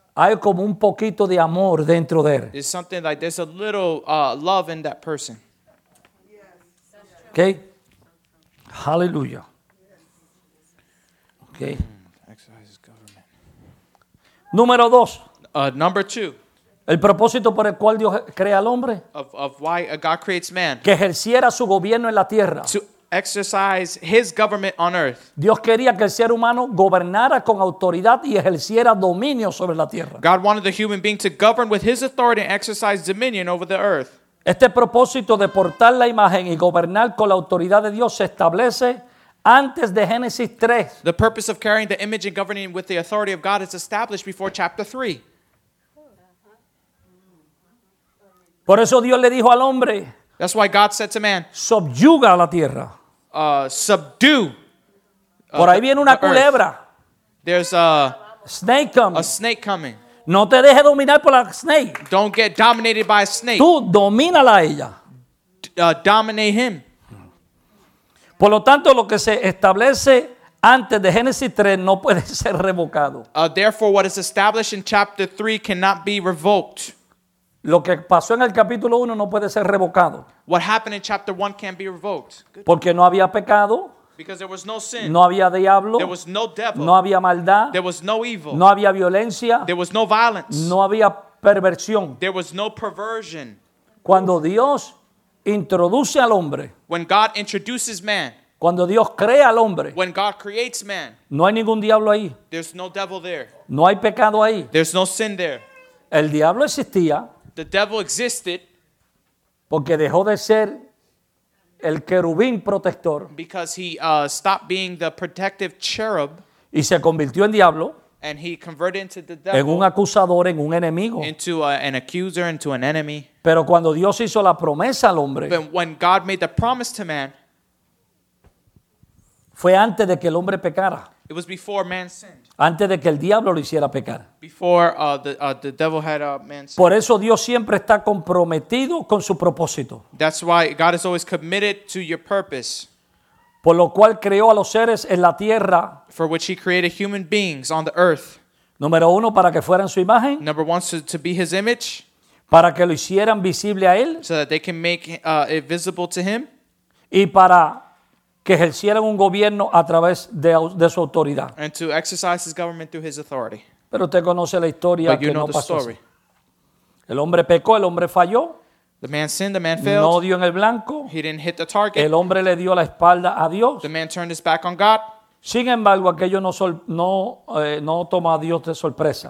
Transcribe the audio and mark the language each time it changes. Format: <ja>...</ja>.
<es>Hay como un poquito de amor dentro de él.</es> <en>It's something like there's a little love in that person. Okay. Hallelujah. Okay. Exercises government.</en> <es>Número dos.</es> <en>Number two.</en> <es>El propósito por el cual Dios crea al hombre.</es> <en>Of why God creates man.</en> <es>Que ejerciera su gobierno en la tierra.</es> <en>To exercise his government on earth.</en> <es>Dios quería que el ser humano gobernara con autoridad y ejerciera dominio sobre la tierra.</es> <en>God wanted the human being to govern with his authority and exercise dominion over the earth.</en> <es>Este propósito de portar la imagen y gobernar con la autoridad de Dios se establece antes de Génesis 3.</es> <en>The purpose of carrying the image and governing with the authority of God is established before chapter 3.</en> <es>Por eso Dios le dijo al hombre.</es> <en>That's why God said to man,</en> <es>subyuga la tierra.</es> <en>Subdue.</en> <es>Por ahí viene una culebra.</es> <en>There's a snake coming. A snake coming.</en> <es>No te deje dominar por la snake.</es> <en>Don't get dominated by a snake.</en> <es>Tú domínala a ella.</es> <en>Dominate him.</en> <es>Por lo tanto, lo que se establece antes de Génesis 3 no puede ser revocado.</es> <en>Therefore, what is established in chapter 3 cannot be revoked.</en> <es>Lo que pasó en el capítulo 1 no puede ser revocado.</es> <en>What happened in chapter 1 can't be revoked. Good.</en> <es>Porque no había pecado.</es> <en>Because there was no sin.</en> <es>No había diablo.</es> <en>There was no devil.</en> <es>No había maldad.</es> <en>There was no evil.</en> <es>No había violencia.</es> <en>There was no violence.</en> <es>No había perversión.</es> <en>There was no perversion.</en> <es>Cuando Dios introduce al hombre.</es> <en>When God introduces man.</en> <es>Cuando Dios crea al hombre.</es> <en>When God creates man.</en> <es>No hay ningún diablo ahí.</es> <en>There's no devil there.</en> <es>No hay pecado ahí.</es> <en>There's no sin there.</en> <es>El diablo existía.</es> <en>The devil existed</en> <es>porque dejó de ser el querubín protector.</es> <en>Because he stopped being the protective cherub.</en> <es>Y se convirtió en diablo.</es> <en>And he converted into the devil.</en> <es>En un acusador, en un enemigo.</es> <en>Into an accuser, into an enemy.</en> <es>Pero cuando Dios hizo la promesa al hombre.</es> <en>But when God made the promise to man.</en> <es>Fue antes de que el hombre pecara.</es> <en>It was before man sinned.</en> <es>Antes de que el diablo lo hiciera pecar.</es> <en>Before the devil had man sinned.</en> <es>Por eso Dios siempre está comprometido con su propósito.</es> <en>That's why God is always committed to your purpose.</en> <es>Por lo cual creó a los seres en la tierra.</es> <en>For which he created human beings on the earth.</en> <es>Número uno, para que fueran su imagen.</es> <en>Number one, to be his image.</en> <es>Para que lo hicieran visible a él.</es> <en>So that they can make it visible to him.</en> <es>Y para que ejercieran un gobierno a través de su autoridad.</es> <en>And to exercise his government through his authority.</en> <es>Pero usted conoce la historia que no pasó. El hombre pecó, el hombre falló.</es> <en>The man sinned, the man failed.</en> <es>No dio en el blanco.</es> <en>He didn't hit the target.</en> <es>El hombre le dio la espalda a Dios.</es> <en>The man turned his back on God.</en> <es>Sin embargo, aquello no tomó a Dios de sorpresa.</es>